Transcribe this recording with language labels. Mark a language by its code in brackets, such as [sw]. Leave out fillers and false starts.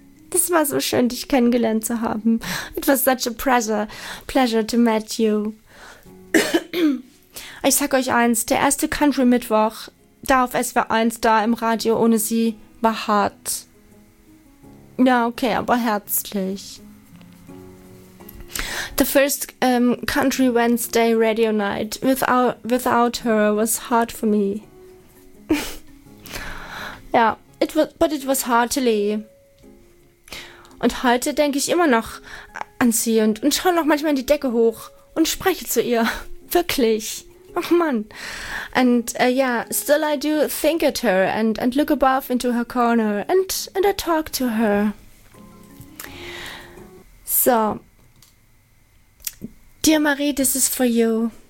[de] Das war so schön, dich kennengelernt zu haben. [en] It was such a pleasure to meet you. [de] Ich sag euch eins, der erste Country-Mittwoch da auf SWR1, da im Radio ohne sie, war hart. Ja, okay, aber herzlich. [en] The first Country Wednesday radio night without her was hard for me. Ja, it was hard to leave. [de] Und heute denke ich immer noch an sie und schaue noch manchmal in die Decke hoch und spreche zu ihr. Wirklich. Oh Mann. [en] And yeah, still I do think at her and look above into her corner and I talk to her. So. Dear Marie, this is for you.